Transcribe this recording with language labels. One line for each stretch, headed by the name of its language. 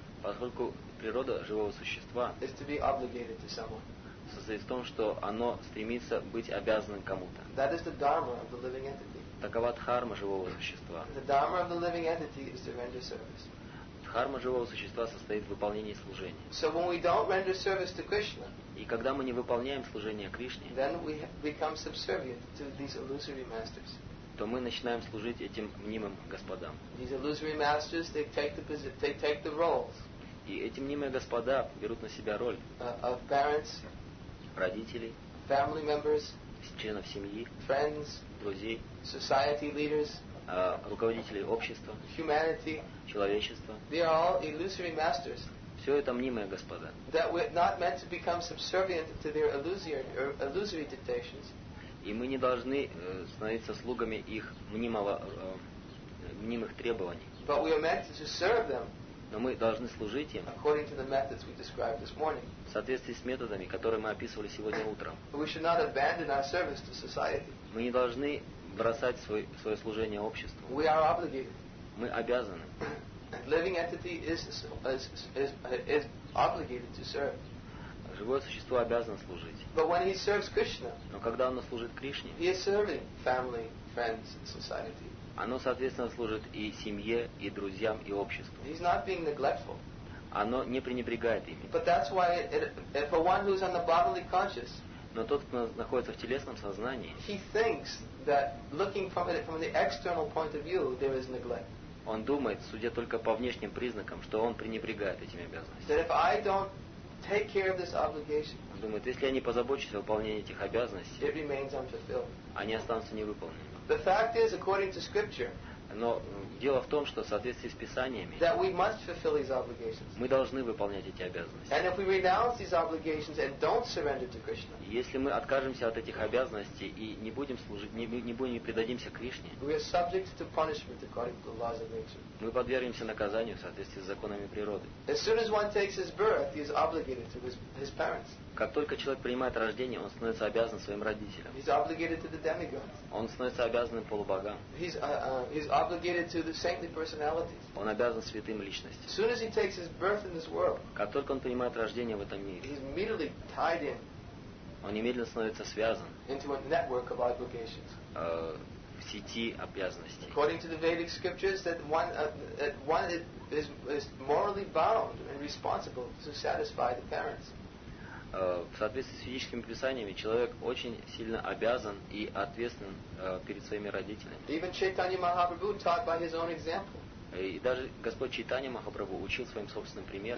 Russian: Поскольку природа живого существа состоит в том, что оно стремится быть обязанным кому-то. Такова дхарма живого существа. Дхарма живого существа состоит в выполнении служения.
English: So when we don't render service to Krishna,
Russian: и когда мы не выполняем служение Кришне,
English: then we become subservient to these illusory masters.
Russian: То мы начинаем служить этим мнимым господам.
English: These illusory masters, they take the roles.
Russian: И эти мнимые господа берут на себя роль
English: of parents,
Russian: родителей,
English: family members,
Russian: членов семьи,
English: friends,
Russian: друзей,
English: society leaders,
Russian: руководителей общества,
English: humanity,
Russian: человечества.
English: They are all illusory masters.
Russian: Все это мнимые господа.
English: That we're not meant to become subservient to their illusory dictations.
Russian: И мы не должны становиться слугами их мнимых требований.
English: But we are meant to serve them.
Russian: Но мы должны служить им
English: according to the methods we described this morning.
Russian: В соответствии с методами, которые мы описывали сегодня утром.
English: We should not abandon our service to society.
Russian: Мы не должны бросать свое служение обществу.
English: We are obligated.
Russian: Мы обязаны.
English: Living entity is obligated to serve.
Russian: Живое существо обязано служить.
English: But when he serves Krishna,
Russian: но когда оно служит Кришне,
English: he is serving family, friends, society.
Russian: Оно, соответственно, служит и семье, и друзьям, и обществу.
English: He's not being neglectful.
Russian: Оно не пренебрегает ими.
English: But that's why for one who's on the bodily conscious,
Russian: но тот, кто находится в телесном сознании,
English: he thinks that looking from the external point of view, there is neglect.
Russian: Он думает, судя только по внешним признакам, что он пренебрегает этими обязанностями.
English: That if I don't take care of this obligation,
Russian: он думает, если я не позабочусь о выполнении этих обязанностей,
English: it remains unfulfilled.
Russian: Они останутся невыполненными.
English: The fact is, according to Scripture,
Russian: но дело в том, что в соответствии с Писаниями,
English: that we must fulfill these obligations.
Russian: Мы должны выполнять эти обязанности.
English: And if we renounce these obligations and don't surrender to Krishna,
Russian: если мы откажемся от этих обязанностей и не будем служить, не предадимся Кришне,
English: we are subject to punishment according to the laws of nature.
Russian: Мы подвергнемся наказанию в соответствии с законами природы.
English: As soon as one takes his birth, he is obligated to his parents.
Russian: Как только человек принимает рождение, он становится обязан своим родителям.
English: He's obligated to the demigods.
Russian: Он становится обязанным полубогам.
English: He's obligated to the saintly personalities.
Russian: Он обязан святым личностям.
English: As soon as he takes his birth in this world,
Russian: как только он принимает рождение в этом мире,
English: he's immediately tied in.
Russian: Он немедленно становится связан
English: into a network of obligations.
Russian: В сети обязанностей.
English: According to the Vedic scriptures, that one is morally bound and responsible to satisfy the parents.
Russian: В соответствии с ведическими писаниями человек очень сильно обязан и ответственен перед своими родителями.
English: Even Chaitanya Mahaprabhu taught by his own example.
Russian: И даже Господь Чайтанья Махапрабху учил своим собственным примером.